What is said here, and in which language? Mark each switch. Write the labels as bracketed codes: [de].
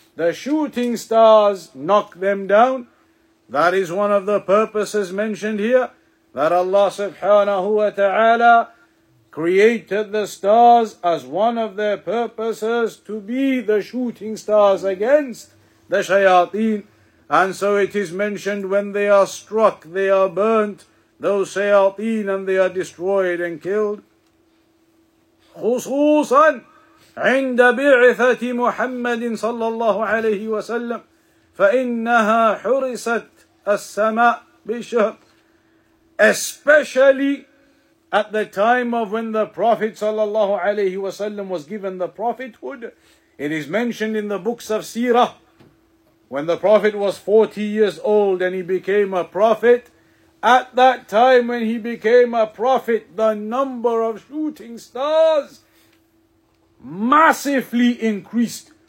[en] The shooting stars knock them down. That is one of the purposes mentioned here, that Allah subhanahu wa ta'ala created the stars as one of their purposes to be the shooting stars against the shayateen. And so it is mentioned, when they are struck, they are burnt, those shayateen, and they are destroyed and killed. [ar] خصوصا عند بعثة محمد صلى الله عليه وسلم فإنها حرست السماء بشهر. [en] Especially at the time of when the Prophet sallallahu alayhi wasallam was given the prophethood, it is mentioned in the books of Sirah, when the Prophet was 40 years old and he became a prophet, at that time when he became a prophet, the number of shooting stars massively increased.